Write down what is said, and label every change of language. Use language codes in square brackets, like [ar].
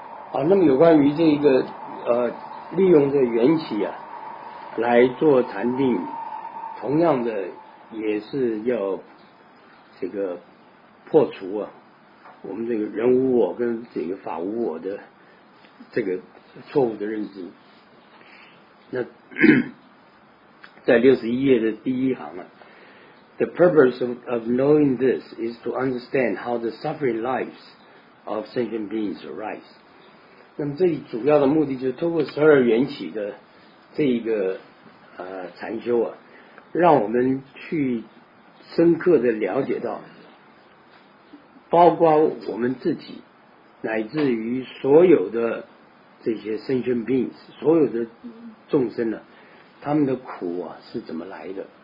[zh] 好，那么有关于这一个利用这缘起啊来做禅定，同样的也是要这个破除啊我们这个人无我跟这个法无我的这个错误的认知。那在61页的第一行啊， [en] The purpose of knowing this is to understand how the suffering lives of sentient beings arise。 [zh] 那么这里主要的目的就是透过十二缘起的这一个禅修啊，让我们去深刻的了解到包括我们自己乃至于所有的这些 [en] sentient beings， [zh] 所有的众生呢、啊、他们的苦啊是怎么来的。